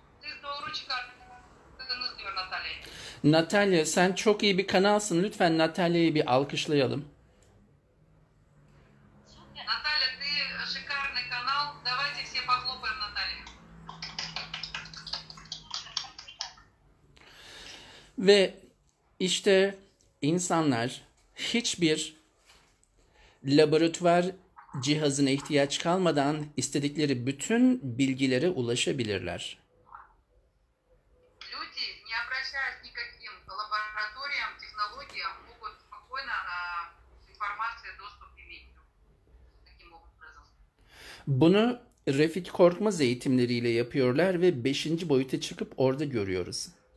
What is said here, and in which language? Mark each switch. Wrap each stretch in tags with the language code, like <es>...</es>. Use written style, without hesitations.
<tr>Siz doğru çıkarttınız diyor Natalya. Natalya, sen çok iyi bir kanalsın. Lütfen Natalya'yı bir alkışlayalım.</tr> <ru>Natalya, ты шикарный канал. Давайте все похлопаем Наталье.</ru> <tr>Ve işte insanlar hiçbir laboratuvar cihazına ihtiyaç kalmadan istedikleri bütün bilgilere ulaşabilirler.</tr> <ru>Люди, не обращаясь никаким лабораториям, технологиям, могут спокойно информация доступ иметь. Таким образом.</ru> <tr>Bunu Refik Korkmaz eğitimleriyle yapıyorlar ve 5. boyuta çıkıp orada görüyoruz.</tr>